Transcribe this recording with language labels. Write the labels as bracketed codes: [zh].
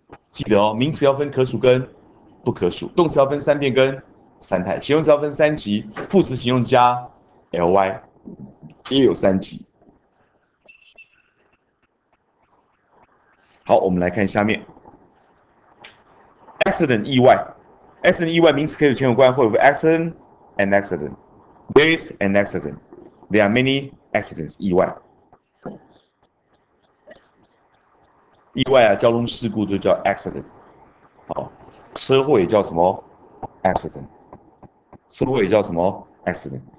[zh] 记得哦，名词要分可数跟不可数，动词要分三变跟三态，形容词要分三级，副词、形容加 ly 也有三级。好，我们来看下面。 Accident 意外 ，accident 意外名词可以有前有关，或有 accident and accident. [en] There is an accident. There are many accidents [zh] 意外。意外啊，交通事故都叫 accident。好，车祸也叫什么 accident？车祸也叫什么 accident？